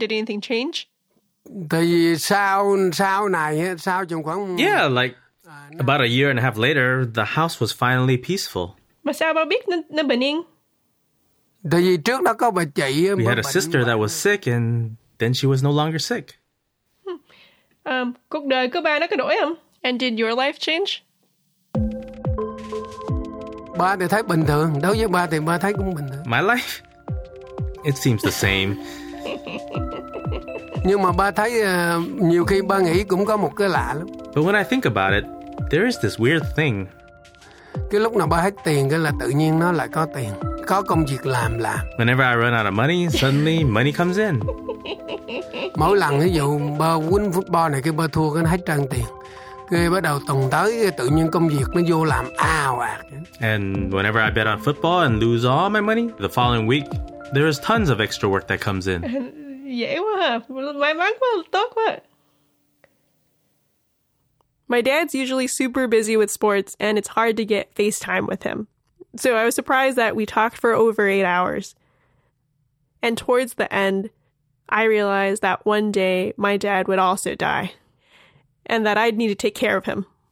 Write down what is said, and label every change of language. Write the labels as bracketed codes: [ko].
[en] Did anything change? [vi] Thì sau này á, sau chừng khoảng [en] About a year and a half later, the house was finally peaceful. [vi] Mà sao bà biết nó bình yên? Tại vì trước đó có bà chị. [en] We had a sister that was sick, and then she was no longer sick. [vi] Cuộc đời của bà nó có đổi không? [en] And did your life change? [vi] Ba thì thấy bình thường. Đối với ba thì ba thấy cũng bình thường. [en] My life? It seems the same. [vi] Nhưng mà ba thấy nhiều khi ba nghĩ cũng có một cái lạ lắm. [en] But when I think about it, there is this weird thing. [vi] Cái lúc nào ba hết tiền cái là tự nhiên nó lại có tiền, có công việc làm là. [en] Whenever I run out of money, suddenly money comes in. [vi] Mỗi lần ví dụ ba [en] win football [vi] này, cái ba thua cái nó hết trơn tiền. Cái bắt đầu tuần tới cái tự nhiên công việc nó vô làm ào ạt. [en] And whenever I bet on football and lose all my money, the following week there is tons of extra work that comes in. [vi] Dễ quá, may mắn quá, tốt quá. [en] My dad's usually super busy with sports, and it's hard to get FaceTime with him. So I was surprised that we talked for over 8 hours. And towards the end, I realized that one day my dad would also die, and that I'd need to take care of him.